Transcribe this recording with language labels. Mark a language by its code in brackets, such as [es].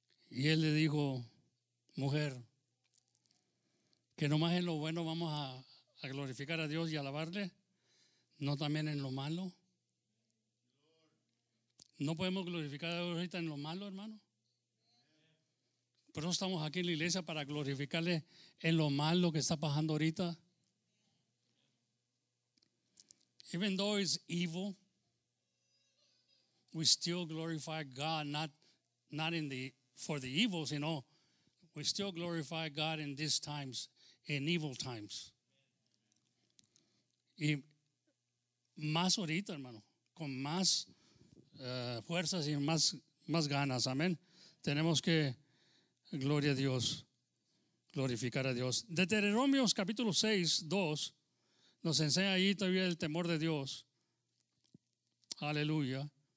[es] Y él le dijo, mujer, que nomás en lo bueno vamos a glorificar a Dios y alabarle, no también en lo malo. No podemos glorificar a Dios ahorita en lo malo, hermano. Pero estamos aquí en la iglesia para glorificarle en lo malo que está pasando ahorita. [en] Even though it's evil, we still glorify God, not in the for the evils, you know. We still glorify God in these times, in evil times. [es] Y más ahorita, hermano, con más fuerzas y más ganas, amén. Tenemos que, gloria a Dios, glorificar a Dios. Deuteronomios capítulo 6, 2, nos enseña ahí todavía el temor de Dios. Aleluya.